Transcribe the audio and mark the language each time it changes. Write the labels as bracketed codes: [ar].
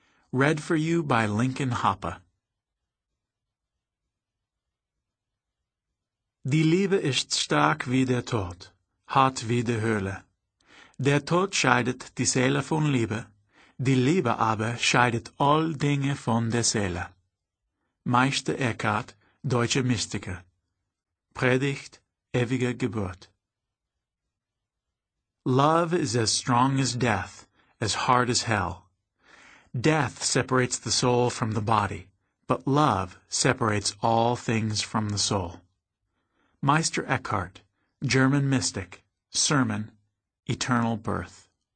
[en] Read for you by Lincoln Hoppe. [de] Die Liebe ist stark wie der Tod, hart wie die Höhle. Der Tod scheidet die Seele von Liebe, die Liebe aber scheidet all Dinge von der Seele. Meister Eckhart, deutscher Mystiker. Predigt, ewige Geburt. [en] Love is as strong as death, as hard as hell. Death separates the soul from the body, but love separates all things from the soul. Meister Eckhart, German mystic, sermon, Eternal Birth.